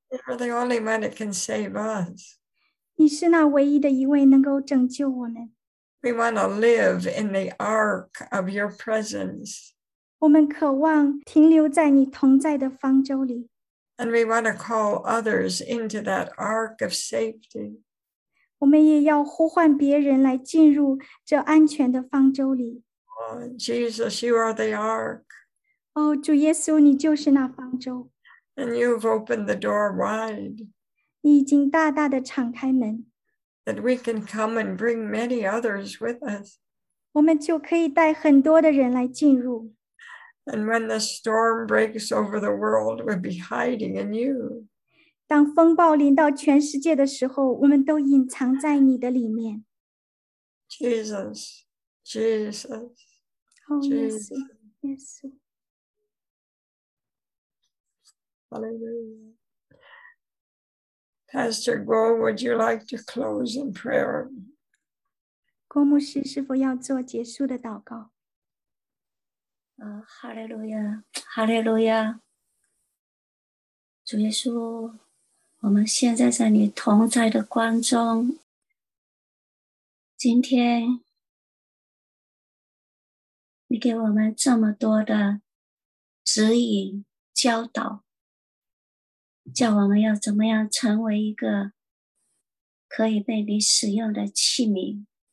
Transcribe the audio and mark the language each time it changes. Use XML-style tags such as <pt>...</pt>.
<en>You're the only one that can save us.</en> <zh>你是那唯一的一位能够拯救我们。</zh> <en>We want to live in the ark of your presence.</en> <zh>我们渴望停留在你同在的方舟里。</zh> <en>And we want to call others into that ark of safety.</en> <zh>我们也要呼唤别人来进入这安全的方舟里。</zh> <en>Oh, Jesus, you are the ark.</en> <zh>哦，主耶稣，你就是那方舟。</zh> <en>And you've opened the door wide.</en> <zh>你已经大大的敞开门。</zh> <en>That we can come and bring many others with us.</en> <zh>我们就可以带很多的人来进入。</zh> <en>And when the storm breaks over the world, we'll be hiding in you.</en> <zh>当风暴临到全世界的时候，我们都隐藏在你的里面。</zh> <en>Jesus, Jesus, Jesus. Hallelujah. Pastor Guo, would you like to close in prayer?</en> <zh>郭牧师是否要做结束的祷告？</zh> <en>Hallelujah, Hallelujah.</en> <zh>主耶稣，我们现在在你同在的光中，今天你给我们这么多的指引教导，叫我们要怎么样成为一个可以被你使用的器皿。</zh>